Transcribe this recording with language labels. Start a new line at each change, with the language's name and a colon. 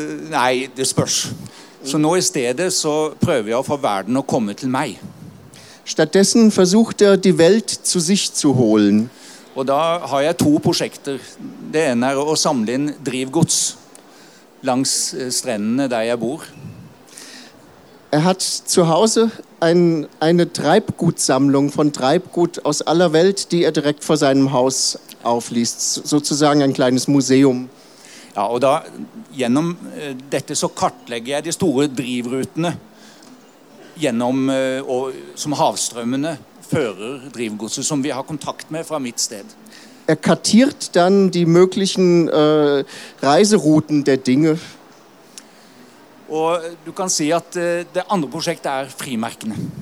Norwegian: Nei, det spørs. Så nå i stedet så prøver jeg å få verden å komme til meg.
German: Stattdessen versucht er, die Welt zu sich zu holen.
Norwegian: Og da har jeg to prosjekter. Det ene å samle inn drivgods langs strendene der jeg bor.
German: Er hat zu Hause eine Treibgutsammlung von Treibgut aus aller Welt, die direkt vor seinem Haus aufliest, sozusagen ein kleines Museum.
Norwegian: Ja, og da gjennom dette så kartlegger jeg de store drivrutene gjennom og som havstrømmene fører drivgodset som vi har kontakt med fra mitt sted.
German: Er kartiert dann die möglichen Reiserouten der Dinge.
Norwegian: Og du kan se at det andre prosjektet frimerkene.